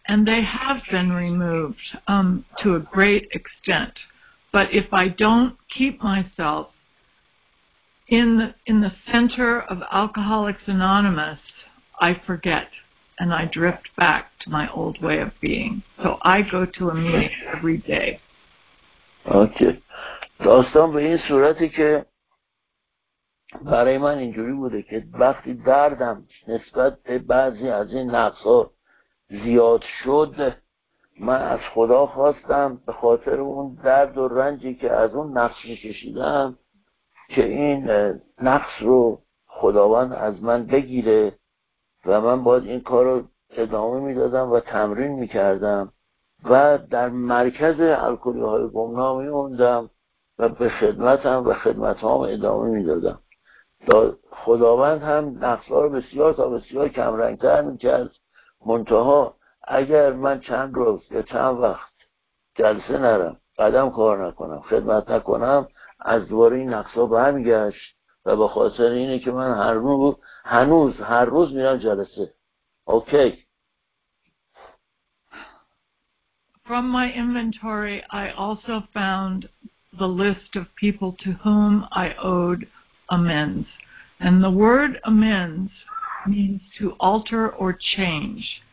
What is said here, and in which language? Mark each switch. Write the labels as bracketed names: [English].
[English] And they have been removed to a great extent. But if I don't keep myself in the center of Alcoholics Anonymous, I forget and I drift back to my old way of being. So I go to a meeting every day. Okay. [Persian] داستان به این صورتی که برای من اینجوری بوده که وقتی دردم نسبت به بعضی از این نقصا زیاد شد، من از خدا خواستم به خاطر اون درد و رنجی که از اون نقص میکشیدم که این نقص رو خداوند از من بگیره و من باید این کار رو ادامه میدادم و تمرین میکردم و در مرکز الکلی های گمنام میموندم و به خدمتم و خدمتهام ادامه میدادم. خداوند هم نقصها رو بسیار تا بسیار کمرنگتر میکرد، منتها اگر من چند روز یا چند وقت جلسه نرم، قدم کار نکنم، خدمت نکنم، از دوباره این نقصها برمیگشت و به خاطر اینه که من هر روز میرم جلسه. [English] Okay. From my inventory I also found the list of people to whom I owed amends. And the word amends means to alter or change.